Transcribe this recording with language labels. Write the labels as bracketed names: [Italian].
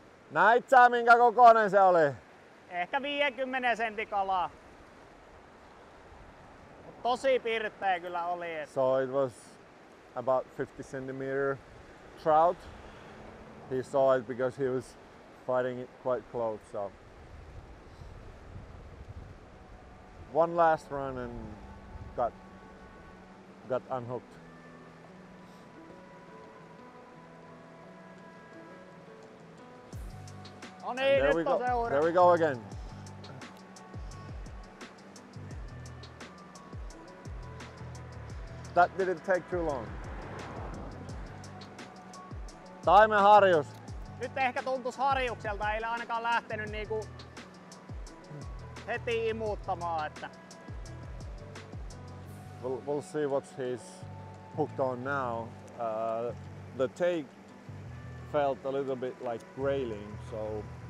[Finnish] Näit sä, minkä kokoinen se oli? Ehkä 50 sentin kalaa. Mut tosi pirteä kyllä oli. [English] So it was about 50 centimeter trout. He saw it because he was fighting it quite close. So one last run and got unhooked. [Finnish] No niin, nyt [English] we go. [Finnish] Seuraa. [English] There we go again. That didn't take too long. [Finnish] Taimen harjus. Nyt ehkä tuntuis harjukselta, ei ainakaan lähtenyt niinku heti imuuttamaan, että... [English] We'll see what he's hooked on now. The take felt a little bit like grayling, so...